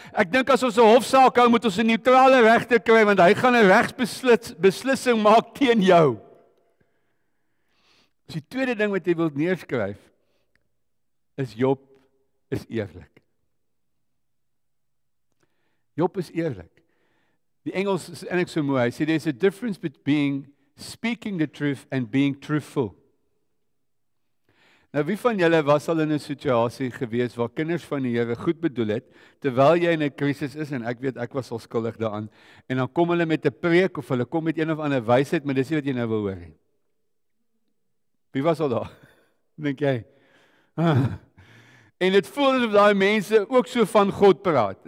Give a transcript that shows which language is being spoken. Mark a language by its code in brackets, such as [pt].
[af] Ek dink as ons 'n hofsaak hou, moet ons 'n neutrale regter kry, want hy gaan 'n regsbeslissing maak teen jou. Dus die tweede ding wat jy wil neerskryf, is Job is eerlik. Job is eerlik. Die Engels is eintlik so mooi, hy sê, [en] there's a difference between being speaking the truth and being truthful. [af] Nou, wie van julle was al in 'n situasie gewees waar kinders van die Here goed bedoel het, terwyl jy in 'n krisis is, en ek weet, ek was al skuldig daaraan, en dan kom hulle met 'n preek, of hulle kom met een of ander wysheid, maar dis nie wat jy nou wil hoor nie. Wie was al daar? Dink jy? En dit voel asof daai mense ook so van God praat.